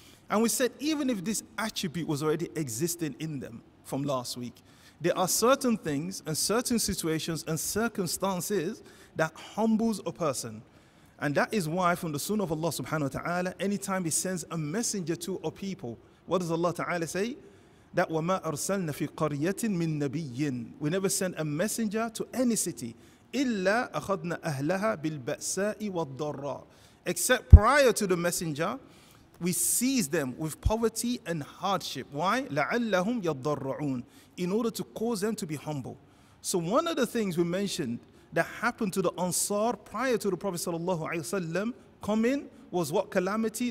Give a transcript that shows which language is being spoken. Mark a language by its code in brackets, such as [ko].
[en] And we said even if this attribute was already existing in them from last week, there are certain things and certain situations and circumstances that humbles a person. And that is why from the sunnah of Allah subhanahu wa ta'ala, anytime he sends a messenger to a people, what does Allah ta'ala say? That [ar] وَمَا أَرْسَلْنَا فِي قَرْيَةٍ مِن نَبِيٍّ. [en] We never send a messenger to any city. [ar] إِلَّا أَخَذْنَا أَهْلَهَا بِالْبَأْسَاءِ وَالضَّرَّى. [en] Except prior to the messenger, we seize them with poverty and hardship. Why? [ar] لَعَلَّهُمْ يَضَّرَّعُونَ. [en] In order to cause them to be humble. So one of the things we mentioned that happened to the Ansar prior to the Prophet sallallahu alaihi wasallam coming was what calamity?